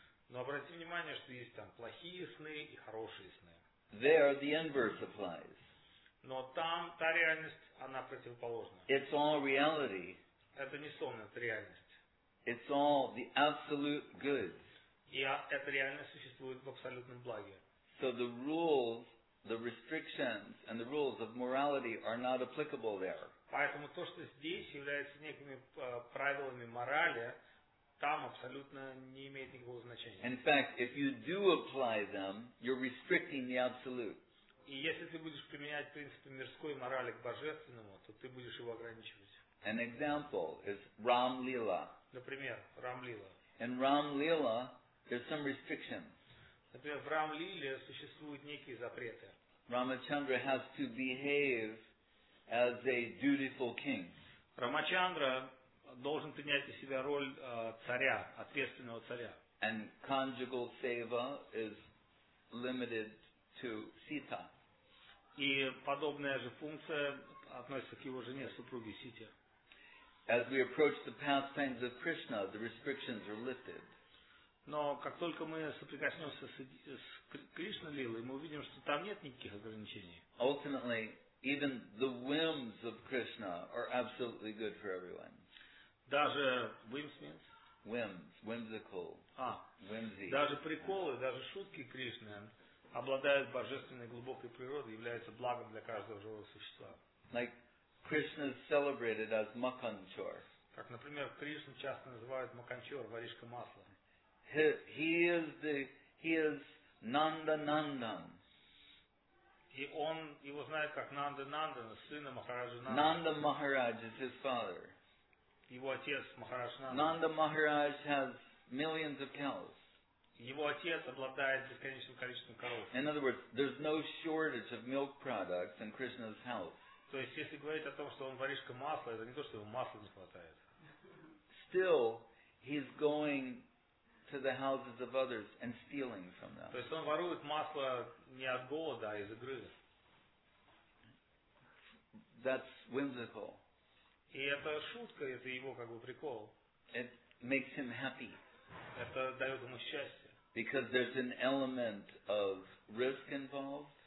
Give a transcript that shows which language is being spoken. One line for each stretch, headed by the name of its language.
Russian: Но обратите внимание, что есть там плохие сны и хорошие сны.
English: There the inverse applies.
Russian: Но там та реальность, она противоположная.
English: It's all reality.
Russian: Это не сон, это реальность.
English: It's all the absolute good.
Russian: И эта реальность существует в абсолютном благе.
English: So the rules, the restrictions and the rules of morality are not applicable there.
Russian: Поэтому то, что здесь является некими правилами морали, там абсолютно не имеет никакого значения.
English: In fact, if you do apply them, you're restricting the absolute.
Russian: И если ты будешь применять принципы мирской морали к божественному, то ты будешь его ограничивать.
English: An example is Ram Lila.
Russian: Например, Ram Lila.
English: In Ram Lila, there's some restrictions.
Russian: Например, в Ram Lila существуют некие запреты.
English: Ramachandra has to behave as a dutiful king.
Russian: Рамачандра должен принять на себя роль царя, ответственного царя.
English: And conjugal seva is limited to Sita.
Russian: И подобная же функция относится к его жене, супруге Сите.
English: As we approach the pastimes of Krishna, the restrictions are lifted.
Russian: Но как только мы соприкоснемся с Кришна-лилой, мы увидим, что там нет никаких ограничений.
English: Ultimately, even the whims of Krishna are absolutely good for everyone.
Russian: Даже
English: whims means? Whims, whimsical. Whimsy.
Russian: Даже приколы, даже шутки Кришны обладают божественной глубокой природой, являются благом для каждого живого существа.
English: Like Krishna is celebrated as Makanchor.
Russian: Как, например, Кришну часто называют Маканчор, воришка масла.
English: He is Nanda Nandan.
Russian: И он его знает как Нанда Нандан, сына Махараджа Нанда.
English: Нанда Махарадж is his father.
Russian: Его отец Махарадж Нанда.
English: Нанда Махарадж has millions of cows.
Russian: Его отец обладает бесконечным количеством коров.
English: In other words, there's no shortage of milk products in Krishna's house.
Russian: То есть если говорить о том, что он воришка масла, это не то, что ему масла не хватает.
English: Still, he's going to the houses of others and stealing from them.
Russian: То есть он ворует масло не от голода, а из игры.
English: That's whimsical.
Russian: И это шутка, это его как бы прикол.
English: It makes him happy.
Russian: Это дает ему счастье.
English: Because there's an element of risk involved.